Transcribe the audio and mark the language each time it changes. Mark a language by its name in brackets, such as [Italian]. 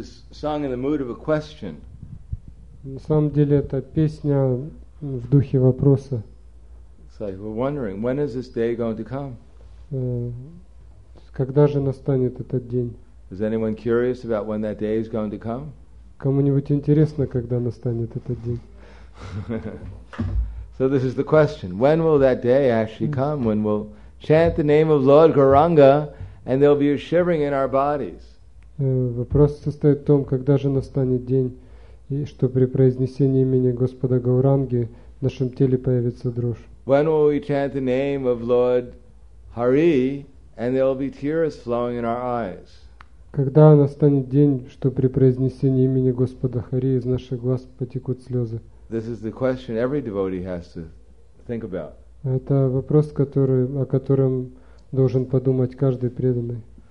[English] Song in the mood of a question. [Russian] На самом деле это песня в духе вопроса. [English] So we're wondering, when is this day going to come? [Russian] Когда же настанет этот день? [English] Is anyone curious about when that day is going to come? [Russian] Кому-нибудь интересно, когда настанет этот день? [English] So this is the question. When will that day actually come? When we'll chant the name of Lord Gauranga and there'll be a shivering in our bodies? [Russian] Вопрос состоит в том, когда же настанет день, и что при произнесении имени Господа Гауранги в нашем теле появится дрожь. [English] When will we chant the name of Lord Hari and there will be tears flowing in our eyes? [Russian] Когда настанет день, что при произнесении имени Господа Хари из наших глаз потекут слезы? [English] This is the question every devotee has to think about. [Russian] Это вопрос, о котором должен подумать каждый преданный.